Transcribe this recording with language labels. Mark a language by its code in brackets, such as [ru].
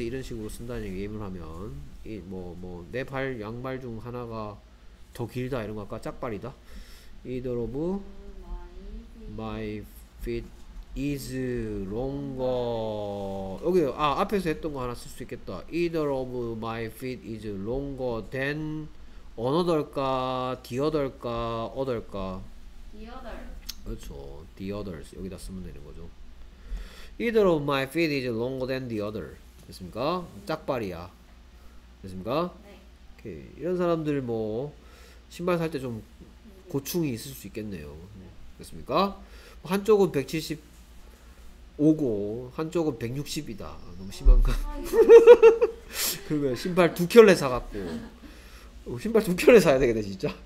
[ko] 이런 식으로 쓴다는 예문을 하면, 이 뭐, 내 발, 양말 중 하나가 더 길다. 이런 거 아까 짝발이다. [en] either of my feet is longer. [ko] 여기 아 앞에서 했던 거 하나 쓸 수 있겠다. [en] either of my feet is longer than another까 the other까 other까 the other. [ko] 그렇죠. the others 여기다 쓰면 되는 거죠. [en] either of my feet is longer than the other. [ko] 됐습니까? 짝발이야. 됐습니까? 네. 오케이. 이런 사람들 뭐 신발 살 때 좀 고충이 있을 수 있겠네요. 됐습니까? 한쪽은 170 오고 한쪽은 160이다. 너무 심한가? 그러면 신발 두 켤레 사갖고 신발 두 켤레 사야 되겠네 진짜.